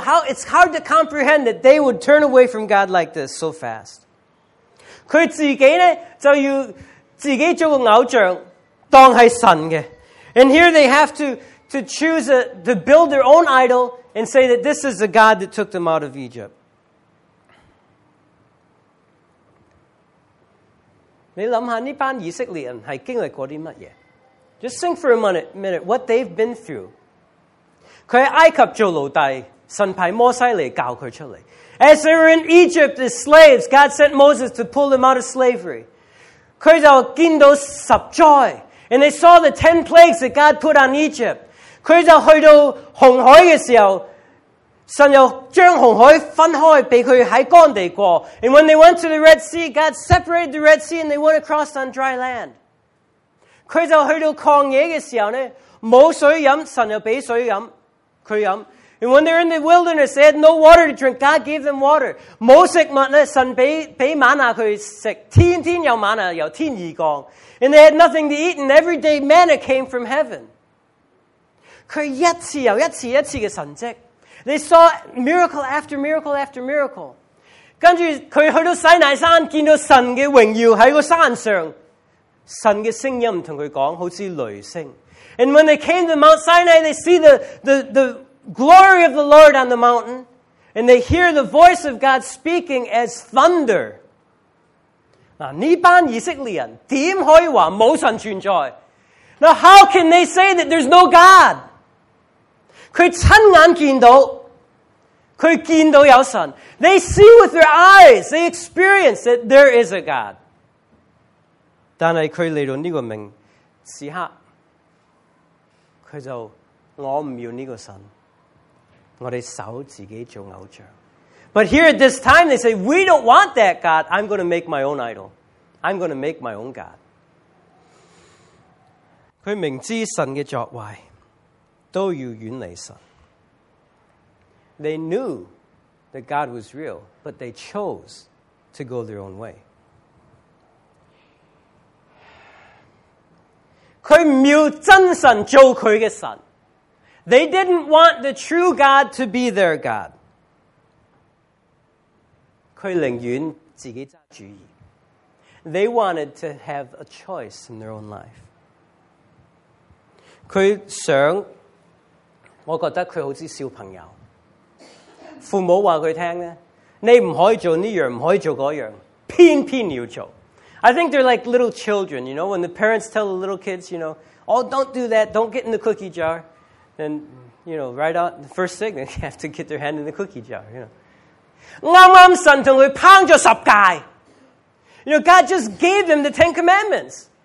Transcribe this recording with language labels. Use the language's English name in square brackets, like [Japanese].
[English] How it's hard to comprehend that they would turn away from God like this so fast. [Chinese] 他自己呢,就要自己做个偶像,当是神的。 [English] And here they have to choose to build their own idol and say that this is the God that took them out of Egypt. [Chinese] 你想想这班以色列人是经历过什么? [English] Just think for a minute what they've been through. [Chinese] 他在埃及做奴隸, 神派摩西来教他出来。 [English] As they were in Egypt as slaves, God sent Moses to pull them out of slavery. [Chinese] 他就见到十灾, [English] and they saw the 10 plagues that God put on Egypt. [Chinese] 他就去到红海的时候, 神又将红海分开, 被他在干地过。 [English] And when they went to the Red Sea, God separated the Red Sea and they went across on dry land. [Chinese] 他就去到旷野的时候呢, 没水喝, 神又给水喝。 [English] And when they're in the wilderness, they had no water to drink. God gave them water. [Chinese] 没食物呢, 神给玛拿去吃, 天天有玛拿, 有天意降, [English] and they had nothing to eat, and every day manna came from heaven. [Chinese] 他一次又一次的神迹, [English] they saw miracle after miracle after miracle. [Chinese] 跟着他去到西乃山, 见到神的荣耀在山上, 神的声音跟他讲, 好像雷声。 [English] And when they came to Mount Sinai, they see the glory of the Lord on the mountain, and they hear the voice of God speaking as thunder. [Chinese] 这班以色列人怎可以说没神存在? [English] Now how can they say that there's no God? [Chinese] 他亲眼见到有神. [English] They see with their eyes, they experience that there is a God. [Chinese] 但是他来到这个时刻, 他就我不要这个神, 我们守自己做偶像。 [English] But here at this time, they say, we don't want that God. I'm going to make my own idol. I'm going to make my own God. [Chinese] 他明知神的作为, 都要远离神。 [English] They knew that God was real, but they chose to go their own way. [Chinese] 他不要真神做他的神。 [English] They didn't want the true God to be their God. [Chinese] 他宁愿自己拿主意。 [English] They wanted to have a choice in their own life. [Chinese] 他想, 我觉得他好像小朋友。父母告诉他, 你不可以做这样,不可以做那样, 偏偏要做。 [English] I think they're like little children, you know, when the parents tell the little kids, you know, oh, don't do that, don't get in the cookie jar. Then, you know, right out, the first thing, they have to get their hand in the cookie jar, you know. [Chinese] 刚刚神跟他烹了十戒. [English] You know, God just gave them the Ten Commandments.